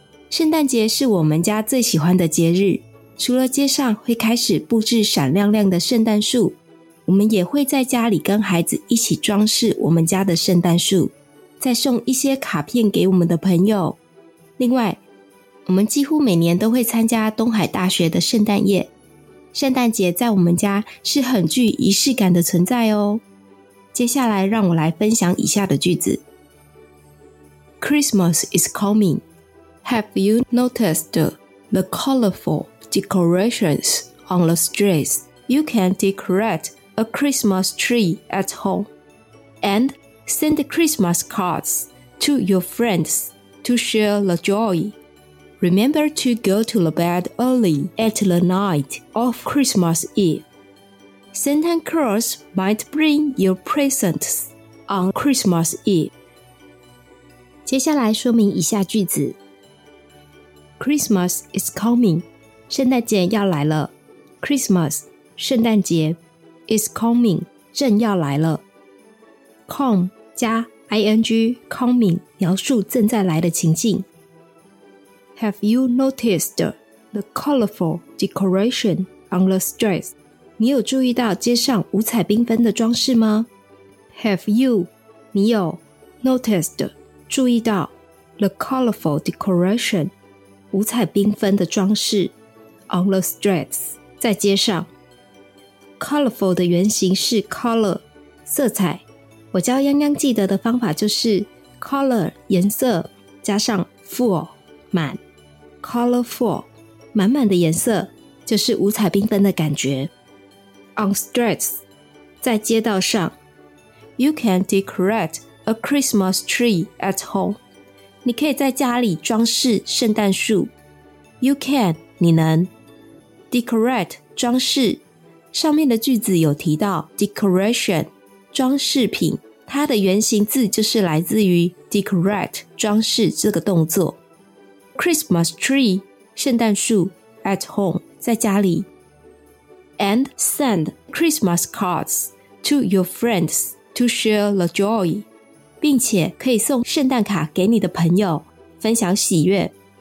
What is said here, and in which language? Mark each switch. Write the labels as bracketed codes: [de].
[zh] 圣诞节是我们家最喜欢的节日，除了街上会开始布置闪亮亮的圣诞树，我们也会在家里跟孩子一起装饰我们家的圣诞树，再送一些卡片给我们的朋友。另外，我们几乎每年都会参加东海大学的圣诞夜，圣诞节在我们家是很具仪式感的存在哦。接下来让我来分享以下的句子。 [en] Christmas is coming. Have you noticed the colorful decorations on the streets? You can decorate a Christmas tree at home and send Christmas cards to your friends to share the joy. Remember to go to the bed early at the night of Christmas Eve. Santa Claus might bring your presents on Christmas Eve. [zh] 接下来说明以下句子。 [en] Christmas is coming. [zh] 圣诞节要来了。Christmas, 圣诞节。 [en] Is coming, [zh] 正要来了。Come, 加 ing, coming, 描述正在来的情境。 [en] Have you noticed the colorful decoration on the streets? [zh] 你有注意到街上五彩缤纷的装饰吗？ [en] Have you, [zh] 你有 [en] noticed, [zh] 注意到 [en] the colorful decoration, [zh] 五彩缤纷的装饰 [en] on the streets, [zh] 在街上。 Colorful 的原型是 color, 色彩。我教泱泱记得的方法就是 color, 颜色加上 full, 满。 Colorful, 满满的颜色就是五彩缤纷的感觉。 On streets, 在街道上。 [en] You can decorate a Christmas tree at home. [zh] 你可以在家里装饰圣诞树。 You can, 你能。Decorate, 装饰。上面的句子有提到 decoration, 装饰品，它的原型字就是来自于 decorate, 装饰这个动作。 Christmas tree, 圣诞树 [en] at home, [zh] 在家里。 [en] And send Christmas cards to your friends to share the joy. [zh] 并且可以送圣诞卡给你的朋友，分享喜悦。